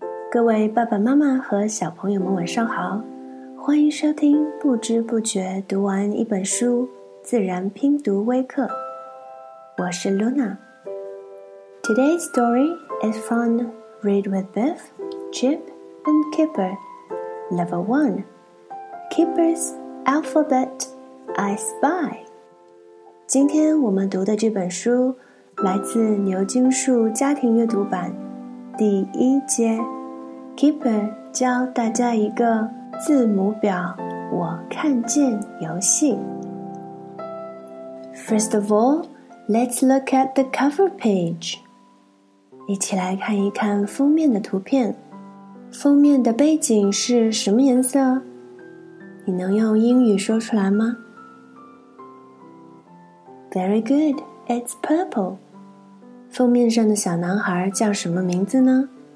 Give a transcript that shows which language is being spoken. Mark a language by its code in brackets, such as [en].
[zh] 各位爸爸妈妈和小朋友们晚上好，欢迎收听不知不觉读完一本书自然拼读微课。我是 Luna. [en] Today's story is from Read with Biff, Chip and Kipper, Level 1. Kipper's Alphabet I Spy. [zh] 今天我们读的这本书来自牛津树家庭阅读版第一节。 Kipper 教大家一个字母表我看见游戏。 [en] First of all, let's look at the cover page. [zh] 一起来看一看封面的图片。封面的背景是什么颜色？你能用英语说出来吗？ [en] Very good, it's purple. [zh] 封面上的小男孩叫什么名字呢？